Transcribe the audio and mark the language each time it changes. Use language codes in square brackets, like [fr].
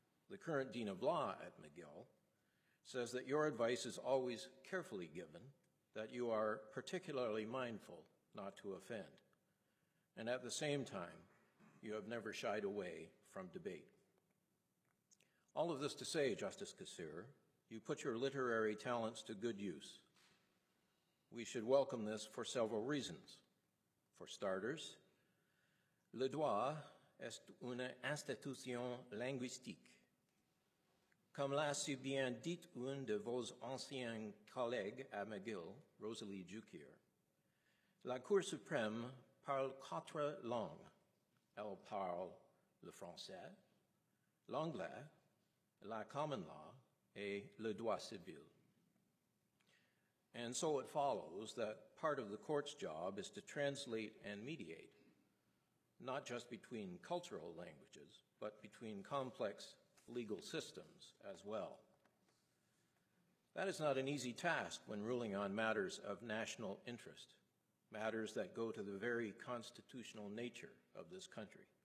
[en] The current Dean of Law at McGill says that your advice is always carefully given, that you are particularly mindful not to offend. And at the same time, you have never shied away from debate. All of this to say, Justice Kassirer, you put your literary talents to good use. We should welcome this for several reasons. For starters, [fr] le droit est une institution linguistique. Comme l'a si bien dit une de vos anciens collègues à McGill, Rosalie Jukier, la Cour suprême parle quatre langues. Elle parle le français, l'anglais, la common law, et le droit civil. [en] And so it follows that part of the court's job is to translate and mediate, not just between cultural languages, but between complex legal systems as well. That is not an easy task when ruling on matters of national interest, matters that go to the very constitutional nature of this country.